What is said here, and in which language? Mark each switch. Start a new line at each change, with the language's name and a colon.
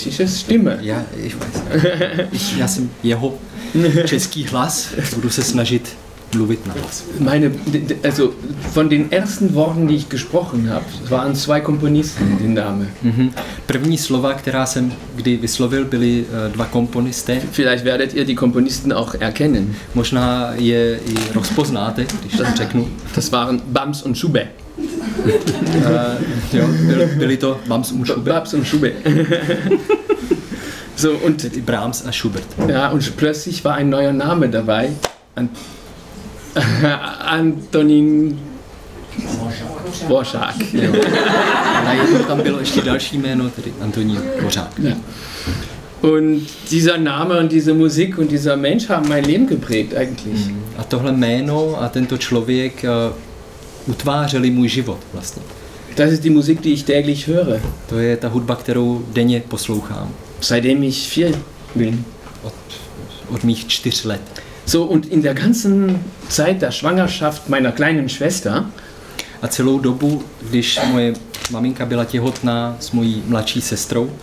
Czech: Jsem jeho český hlas, budu se snažit mluvit na hlas.
German: Meine, also von den ersten Worten, die ich gesprochen habe, waren zwei Komponisten, die Name.
Czech: První slova, která jsem kdy vyslovil, byly dva komponisté.
German: Vielleicht werdet ihr die Komponisten auch erkennen.
Czech: Možná je i rozpoznáte, když to řeknu.
German: Das waren Bams und Schubert.
Czech: Byli to Bams
German: und
Czech: Schubert.
German: Bams und Schubert. So, und Brahms a Schubert. Ja, und plötzlich war ein neuer Name dabei. Antonín Dvořák.
Czech: Najednou tam bylo ještě další jméno, tedy Antonín Dvořák.
German: Ja. Und dieser Name und diese Musik und dieser Mensch haben mein Leben geprägt eigentlich.
Czech: A tohle jméno a tento člověk utvářeli můj život vlastně.
German: Das ist die Musik, die ich täglich höre.
Czech: To je ta hudba, kterou denně poslouchám.
German: Seitdem ich vier bin.
Czech: Od mých 4 let.
German: So, und in der ganzen Zeit der Schwangerschaft meiner kleinen Schwester.
Czech: A celou dobu, když moje maminka byla těhotná s mojí mladší sestrou.